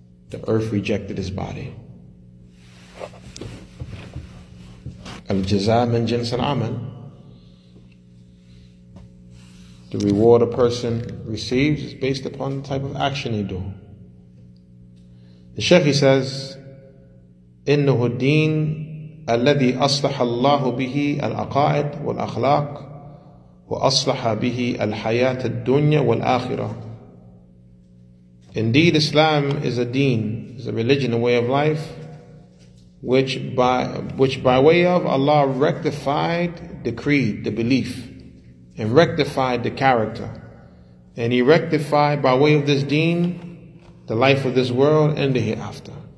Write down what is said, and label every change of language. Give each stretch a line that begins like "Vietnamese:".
English: The earth rejected his body.
Arabic: Al-jaza min jins al-amal.
English: The reward a person receives is based upon the type of action they do. The Shaykh, he says,
Arabic: إِنَّهُ الدِّينَ الَّذِي أَصْلَحَ اللَّهُ بِهِ الْأَقَائِدْ وَالْأَخْلَاقِ وَأَصْلَحَ بِهِ الْحَيَاةِ الدُّنْيَا وَالْآخِرَةِ.
English: Indeed, Islam is a deen, is a religion, a way of life, which by way of Allah rectified the creed, the belief, and rectified the character. And he rectified by way of this deen the life of this world and the hereafter.